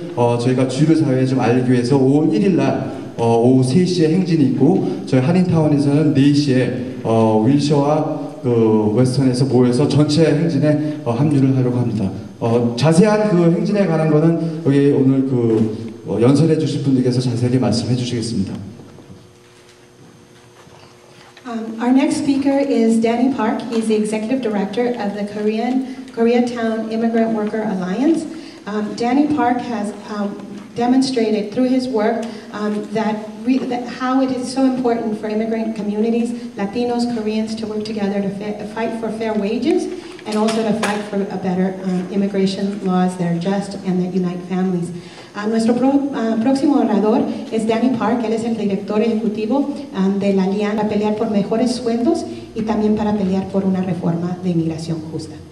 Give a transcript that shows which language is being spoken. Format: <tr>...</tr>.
<ko>저희가 주류 사회에 좀 알리기 위해서 5월 1일 날 오후 3시에 행진이 있고 저희 한인타운에서는 4시에 윌셔와 그 웨스턴에서 모여서 전체 행진에 합류를 하려고 합니다. 자세한 그 행진에 관한 거는 여기 오늘 그 연설해 주실 분들께서 자세하게 말씀해 주시겠습니다.</ko> <en>Our next speaker is Danny Park. He's the executive director of the Koreatown Immigrant Worker Alliance. Danny Park has demonstrated through his work how it is so important for immigrant communities, Latinos, Koreans, to work together to fight for fair wages and also to fight for a better immigration laws that are just and that unite families.</en> <es>Nuestro próximo orador es Danny Park. Él es el director ejecutivo de la Alianza para pelear por mejores sueldos y también para pelear por una reforma de inmigración justa.</es>